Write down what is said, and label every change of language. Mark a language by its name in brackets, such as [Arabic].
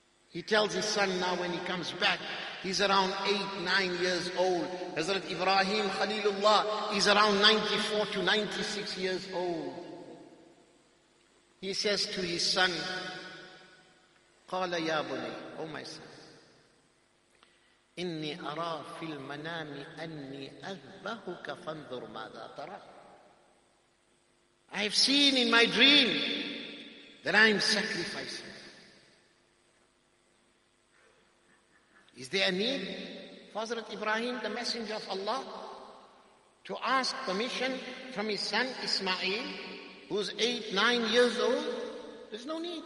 [English] He tells his son now when he comes back, he's around 8-9 years old. Hazrat Ibrahim Khalilullah is around 94 to 96 years old. He says to his son, [Arabic] قَالَ يَا بُنَيْ. [English] Oh my son, [Arabic] إِنِّي أَرَى فِي الْمَنَامِ أَنِّي أَذْبَهُكَ فَانْظُرْ مَاذَا تَرَى. [English] I have seen in my dream that I am sacrificing. Is there a need for Hazrat Ibrahim, the messenger of Allah, to ask permission from his son Ismail, who's 8-9 years old? There's no need.